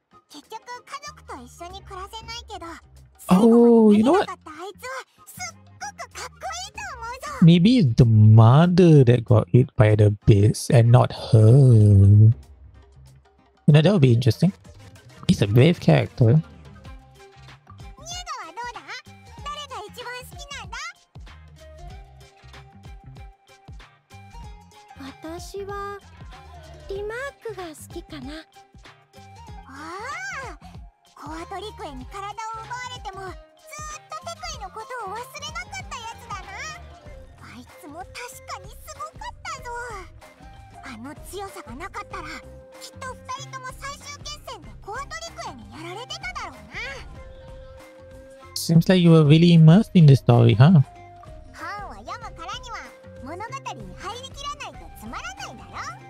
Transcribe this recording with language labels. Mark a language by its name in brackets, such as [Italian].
[Japanese] 結局家族と一緒に暮らせないけど、最後までなかったあいつはすっごくかっこいいと思うぞ。 [English] Maybe it's the mother that got hit by the beast and not her. You know, that would be interesting. He's a brave character. [Japanese] ニエガはどうだ？誰が一番好きなんだ？私はリマークが好きかな。コアトリクエに体を奪われてもずっとテクイのことを忘れなかったやつだな。あいつも確かにすごかったぞ。あの強さがなかったらきっと二人とも最終決戦でコアトリクエにやられてただろうな。 [English] Seems like you were really immersed in the story, huh? [Japanese] 本を読むからには物語に入りきらないとつまらないだろ。